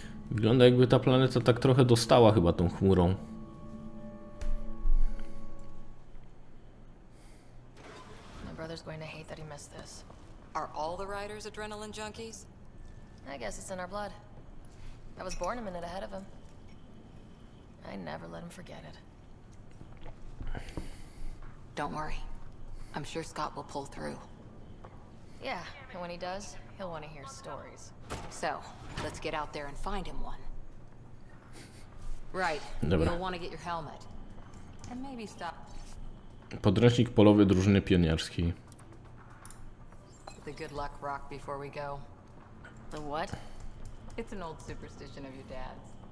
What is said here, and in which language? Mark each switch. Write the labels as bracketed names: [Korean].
[Polish] Wygląda jakby ta planeta tak trochę dostała chyba tą chmurą. [English] My brother's going to hate that he missed this. Are all the Riders adrenaline junkies? I guess it's in our blood. I was born a minute ahead of him. I never let him forget it. Don't worry. I'm sure Scott will pull through. Yeah, and when he does, he'll want to hear stories. So, let's get out there and find him one. Right, you'll want to get your helmet. And maybe stop. [Polish] Podręcznik polowy drużyny pionierskiej. [English] The good luck rock before we go. The what? It's an old superstition of your dad's.